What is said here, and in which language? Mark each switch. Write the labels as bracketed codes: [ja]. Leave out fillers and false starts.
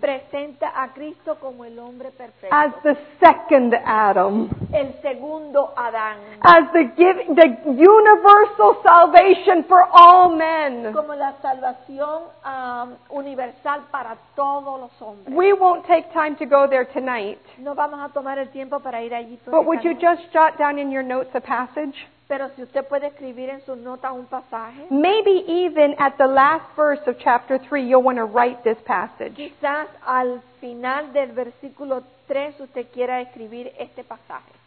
[es] Presenta a Cristo como el hombre perfecto. [en] As the second Adam. [es] El segundo Adán. [en] As the universal salvation for all men. [es] Como la salvación universal para todos los hombres. [en] We won't take time to go there tonight. [es] No vamos a tomar el tiempo para ir allí. [en] But would you just jot down in your notes a passage? [es] Pero si usted puede escribir en sus notas un pasaje. [en] Maybe even at the last verse of chapter 3, you'll want to write this passage. [es] Quizás al final del versículo 3 usted quiera escribir este pasaje.